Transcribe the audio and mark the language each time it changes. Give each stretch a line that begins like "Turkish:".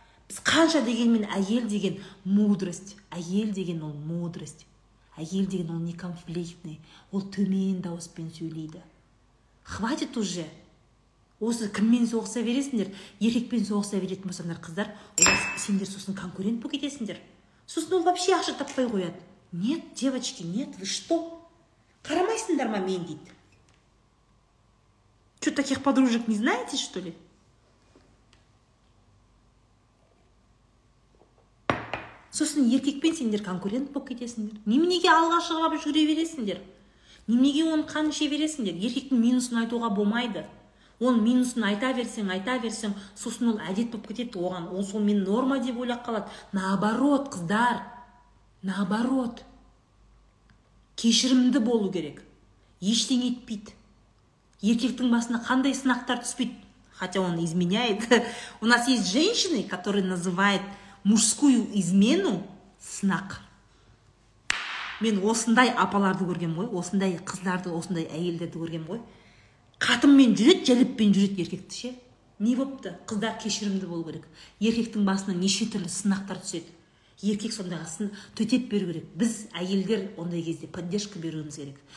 Kazakh: Біз қанша дегенмен әйел деген мудрость, әйел деген ол мудрость, әйел деген ол не конфликтный, ол төмен дауыспен сөйлейді.
Russian: Хватит уже.
Kazakh: Осы кіммен соғыса бересіңдер, еркекпен соғыса беретін болсаңдар, қыздар, сендер сосын конкурент болып кетесіңдер. Сосын ол вообще ақша таппай қояды.
Russian: Нет, девочки, нет, вы что?
Kazakh: Қарамайсыңдар ма мен дейді.
Russian: Что, таких подружек не знаете, что ли?
Kazakh: Сосын еркекпен сендер конкурент болып кетесіңдер. Неменеге алға шығып жүре бересіңдер? Неменеге оны қанша бересіңдер? Еркектің минусын айтуға болмайды. Он минусын айта берсең, айта берсең, сосын ол әдет болып кетеді оған. Ол сол мен норма деп ойлап қалады. Наоборот, қыздар. Наоборот. Кешірімді болу керек. Ештеңе етпейді. Еркектің басына қандай сынақтар түспейді.
Russian: Хотя он изменяет. У нас есть женщины, которые называют мужскую измену сынақ.
Kazakh: Мен осындай апаларды көргем ғой, осындай қыздарды, осындай әйелдерді көргем ғой. Қатынмен жүреді, жәліппен жүреді еркекті ше. Не бопты? Қыздар кешірімді болу керек. Еркектің басына неше түрлі сынақтар түседі. Еркек сондайға сын төтеп беру керек. Біз әйелдер ондай кезде поддержка беруіміз керек.